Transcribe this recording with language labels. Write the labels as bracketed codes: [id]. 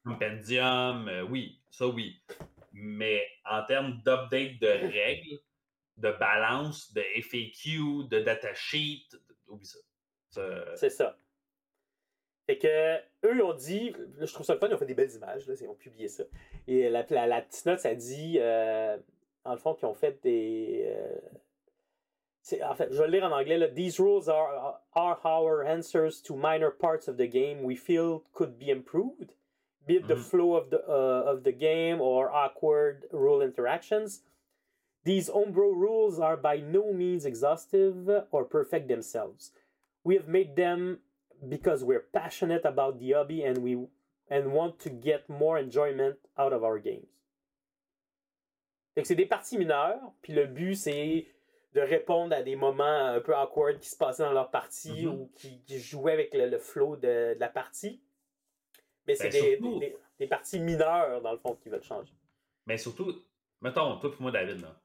[fr] Compendium, oui, ça oui. Mais en termes d'update de règles, de balance, de FAQ, de data sheet, oublie ça. C'est ça. Fait que eux ont dit, là, je trouve ça le fun, ils ont fait des belles images, là, ils ont publié ça. Et la petite note, ça dit, dans le fond, qu'ils ont fait des. C'est, en fait, je vais le lire en anglais. Là. [en] These rules are our answers to minor parts of the game we feel could be improved, be it the flow of the game or awkward rule interactions. These homebrew rules are by no means exhaustive or perfect themselves. We have made them because we're passionate about the hobby and we and want to get more enjoyment out of our games. [fr] Donc, c'est des parties mineures, puis le but, c'est de répondre à des moments un peu awkward qui se passaient dans leur partie ou qui jouaient avec le flow de la partie. Mais c'est des parties mineures, dans le fond, qui veulent changer. Mais surtout, mettons, toi et moi, David, là.